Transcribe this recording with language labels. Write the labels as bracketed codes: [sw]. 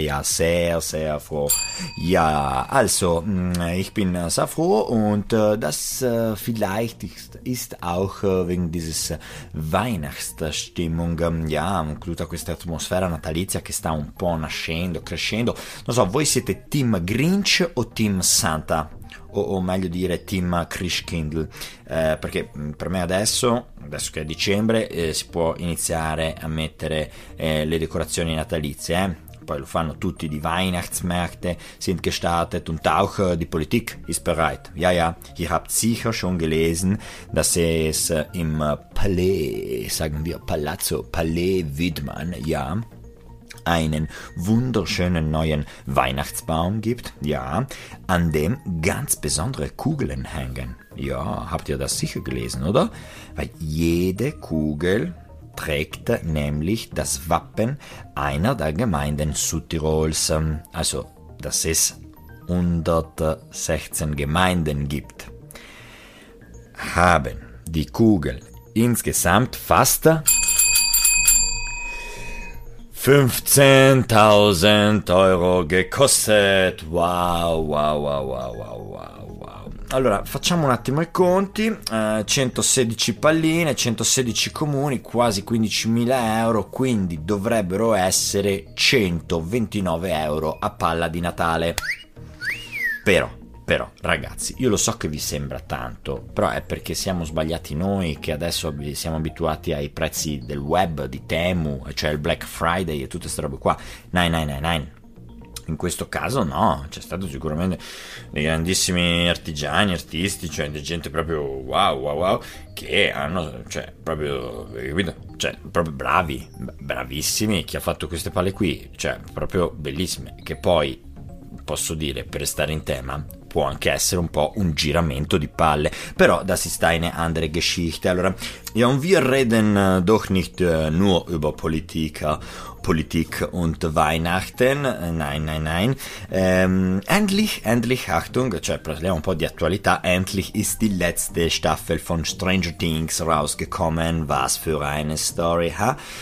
[de] Also ich bin sehr froh, und das vielleicht ist auch wegen dieses Weihnachtsstimmung, ja, [it] tutta questa atmosfera natalizia che sta un po' nascendo, crescendo. Non so, voi siete team Grinch o team Santa, o meglio dire team Christkindl, perché per me adesso che è dicembre, si può iniziare a mettere le decorazioni natalizie, poi lo fanno tutti, di [de] Weihnachtsmärkte sind gestartet und auch die Politik ist bereit. Ja, ihr habt sicher schon gelesen, dass es im Palais Widmann, ja, einen wunderschönen neuen Weihnachtsbaum gibt, ja, an dem ganz besondere Kugeln hängen. Ja, habt ihr das sicher gelesen, oder? Weil jede Kugel trägt nämlich das Wappen einer der Gemeinden Südtirols. Also, dass es 116 Gemeinden gibt, haben die Kugel insgesamt fast 15.000 Euro gekostet. Wow. [it] Allora, facciamo un attimo i conti. 116 palline, 116 comuni, quasi 15.000 euro, quindi dovrebbero essere 129 euro a palla di Natale. Però, ragazzi, io lo so che vi sembra tanto, però è perché siamo sbagliati noi, che adesso siamo abituati ai prezzi del web, di Temu, cioè il Black Friday e tutte queste robe qua. 9999. In questo caso no, c'è stato sicuramente dei grandissimi artigiani, artisti, cioè di gente proprio wow, che hanno, cioè, proprio, capito? Cioè, proprio bravi, bravissimi, chi ha fatto queste palle qui, cioè, proprio bellissime, che poi, posso dire, per stare in tema, può anche essere un po' un giramento di palle, però [de] das ist eine andere Geschichte. Allora, wir reden doch nicht nur über Politik und Weihnachten, nein. Endlich, Achtung, [it] cioè parliamo un po' di attualità, [de] endlich ist die letzte Staffel von Stranger Things rausgekommen, was für eine Story, ha?